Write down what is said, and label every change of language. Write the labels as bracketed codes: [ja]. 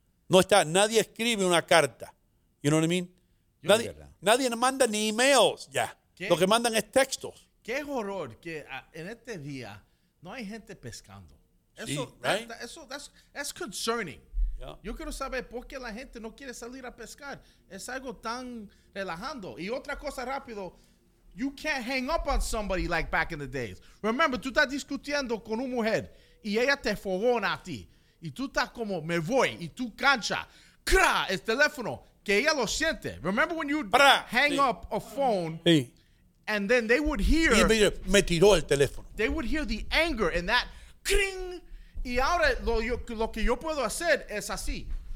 [es] No está. Nadie escribe una carta. [en] You know what I mean? [es] Nadie manda ni emails ya. Lo que mandan es textos. Qué horror que en este día no hay gente pescando. Sí, [en] that's concerning. Yeah. [es] Yo quiero saber por qué la gente no quiere salir a pescar. Es algo tan relajando. Y otra cosa rápido, [en] you can't hang up on somebody like back in the days. [es] Remember, tú estás discutiendo con una mujer y ella te fogona a ti. Y tú estás como, me voy. Y tú cancha, ¡cra! El teléfono, que ella lo siente. [en] Remember when you hang up a phone, [es] sí. [en] And then they would hear. [es] Y él me tiró el teléfono. [en] They would hear the anger in that cring. [es] Y ahora lo que yo puedo hacer es así.